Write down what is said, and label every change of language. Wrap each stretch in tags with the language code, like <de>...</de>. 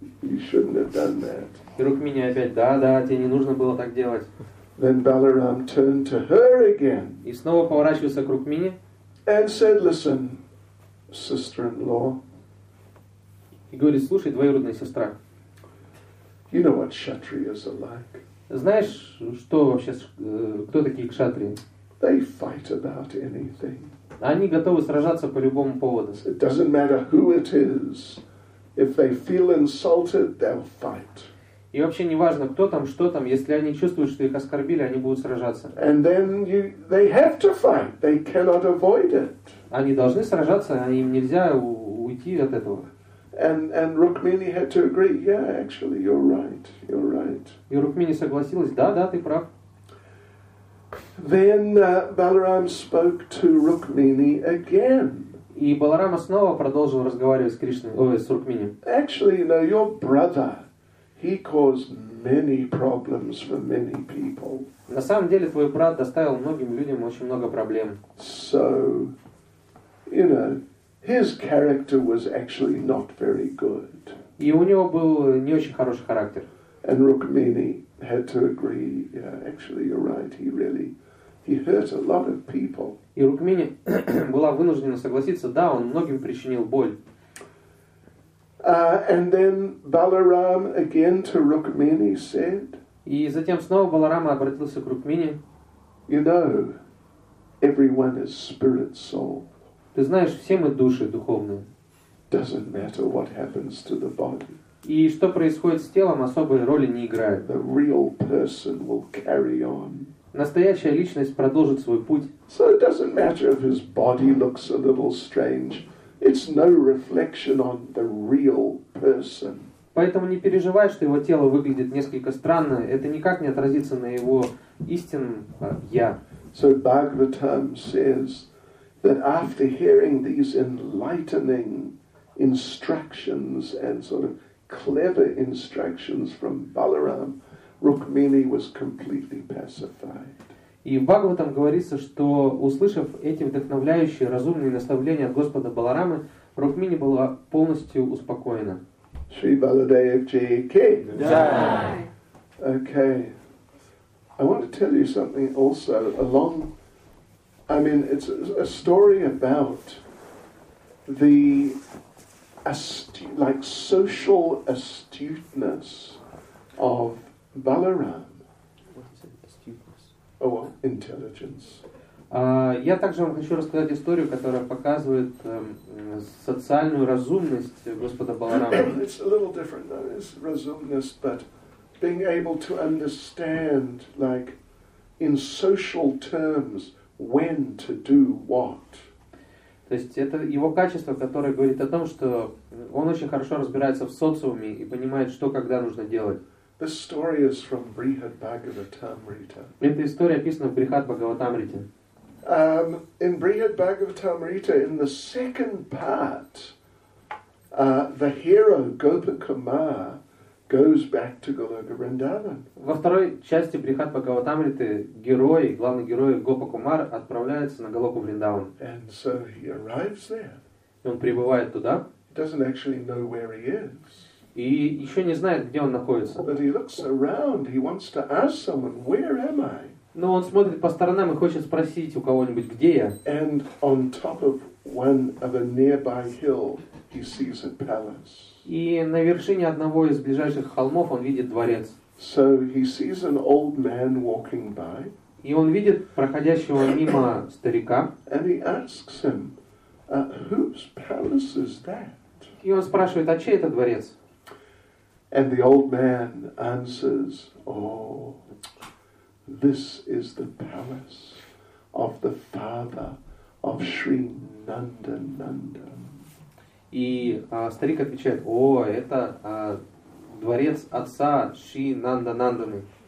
<en>You shouldn't have done that.</en> <ru>И Рукмини опять, да, тебе не нужно было так делать.</ru> <en>Then Balaram turned to her again.</en> <ru>И снова поворачивается к Рукмини.</ru> <en>And said, listen, sister-in-law.</en> <ru>И говорит, слушай, двоюродная сестра.</ru> <en>You know what kshatriyas are like.</en> <ru>Знаешь, что вообще, кто такие кшатрии?</ru> <en>They fight about anything.</en> <ru>Они готовы сражаться по любому поводу.</ru> <en>It doesn't matter who it is. If they feel insulted, they'll fight.</en> <ru>И вообще не важно, кто там, что там. Если они чувствуют, что их оскорбили, они будут сражаться.</ru> <en>And then they have to fight. They cannot avoid it.</en> <ru>Они должны сражаться, им нельзя уйти от этого.</ru> <en>And Rukmini had to agree. Yeah, actually, you're right. You're right.</en> <ru>И Рукмини согласилась. Да, ты прав.</ru> <en>Then Balaram spoke to Rukmini again.</en> <ru>И Баларама снова продолжил разговаривать с Кришной, с Рукмини.</ru> <en>Actually, you know, your brother, he caused many problems for many people.</en> <ru>На самом деле, твой брат доставил многим людям очень много проблем.</ru> <en>So, you know, his character was actually not very good.</en> <ru>И у него был не очень хороший характер.</ru> <en>And Rukmini had to agree. Yeah, actually, you're right. He hurt a lot of people.</en> <ru>И Рукмини была вынуждена согласиться. Да, он многим причинил боль.</ru> <en>And then Balaram again to Rukmini said.</en> <ru>И затем снова Баларама обратился к Рукмини.</ru> <en>You know, Everyone is spirit soul.</en> <ru>Ты знаешь, все мы души духовные.</ru> <en>Doesn't matter what happens to the body.</en> <ru>И что происходит с телом, особой роли не играет.</ru> <en>The real person will carry on.</en> <ru>Настоящая личность продолжит свой путь.</ru> <en>So it doesn't matter if his body looks a little strange. It's no reflection on the real person.</en> <ru>Поэтому не переживай, что его тело выглядит несколько странно. Это никак не отразится на его истинном я.</ru> <en>So Bhagavatam says that after hearing these enlightening instructions and sort of clever instructions from Balaram, Rukmini was completely pacified.</en> <ru>И в Бхагаватам говорится, что услышав эти вдохновляющие, разумные наставления от Господа Баларамы, Рукмини была полностью успокоена.</ru> <hi>Shri Baladev Ji Ki. Jai.</hi> <en>Okay. I want to tell you something also along, I mean, it's a story about the like social astuteness of Balaram. What is it? Oh, intelligence.</en> <ru>Я также вам хочу рассказать историю, которая показывает социальную разумность Господа Баларама.</ru> <en>It's a little different, though. It's разумность, but being able to understand, like, in social terms, when to do what.</en> <ru>То есть это его качество, которое говорит о том, что он очень хорошо разбирается в социуме и понимает, что когда нужно делать.</ru> <en>This story is from Brihad Bhagavatamrita.</en> <ru>Эта история описана в Брихад Бхагаватамрите.</ru> <en>In Brihad Bhagavatamrita, in the second part, the hero Gopakumar goes back to Goloka Vrindavan.</en> <ru>Во второй части Брихад Бхагаватамриты герой, главный герой Гопакумар отправляется на Голоку Вриндаван.</ru> <en>And so he arrives there.</en> <ru>И он прибывает туда.</ru> <en>He doesn't actually know where he is.</en> <ru>И еще не знает, где он находится.</ru> <en>But he looks around. He wants to ask someone, "Where am I?"</en> <ru>Но он смотрит по сторонам и хочет спросить у кого-нибудь, где я.</ru> <en>And on top of one of a nearby hill, he sees a palace.</en> <ru>И на вершине одного из ближайших холмов он видит дворец.</ru> <en>So he sees an old man walking by.</en> <ru>И он видит проходящего мимо старика.</ru> <en>And he asks him, "Whose palace is that?"</en> <ru>И он спрашивает, а чей это дворец?</ru> <en>And the old man answers, "Oh, this is the palace of the father of Sri Nandananda."</en> <ru>И старик отвечает, о, это дворец отца Шри Нандананданы.</ru>